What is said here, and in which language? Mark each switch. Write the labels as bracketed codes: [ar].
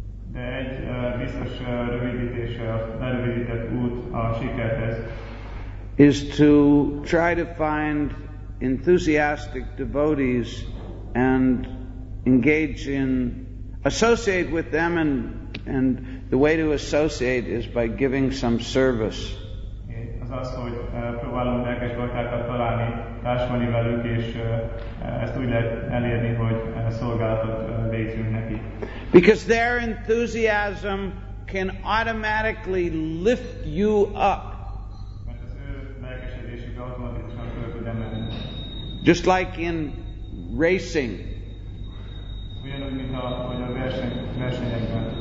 [hu] De egy biztos rövidítése, a rövidített út a sikerhez. [en] Is to try to find enthusiastic devotees and engage in, associate with them, and the way to associate is by giving some service. [hu] Az, hogy próbálunk lelkes baktákat találni, társulni velük, és ezt úgy lehet elérni, hogy szolgálatot végzünk neki. [en] Because their enthusiasm can automatically lift you up. [hu] Mert az ő lelkesedésük automatikusan föl tud emelni. [en] Just like in racing. [hu] Ugyanúgy, mint a versenyekben.